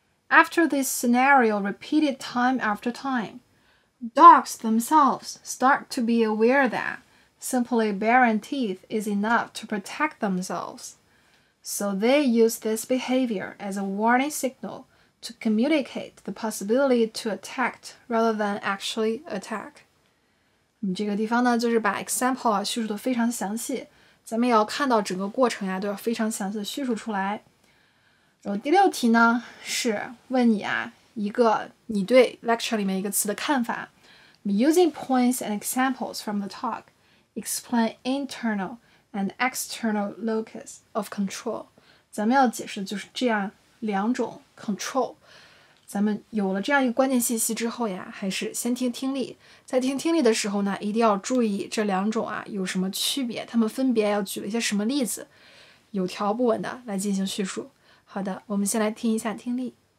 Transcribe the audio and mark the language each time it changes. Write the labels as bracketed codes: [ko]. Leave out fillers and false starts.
[en] After this scenario repeated time after time, dogs themselves start to be aware that simply baring teeth is enough to protect themselves. So they use this behavior as a warning signal. To communicate the possibility to attack rather than actually attack. [zh] 这个地方呢就是把 example 叙述的非常详细，咱们也要看到整个过程呀都要非常详细的叙述出来。然后第六题呢是问你啊一个你对 lecture 里面一个词的看法。 [en] Using points and examples from the talk, explain internal and external locus of control. [zh] 咱们要解释就是这样。两种 control 咱们有了这样一个关键信息之后呀，还是先听听力。在听听力的时候呢，一定要注意这两种啊有什么区别，他们分别要举了一些什么例子，有条不紊的来进行叙述。好的，我们先来听一下听力。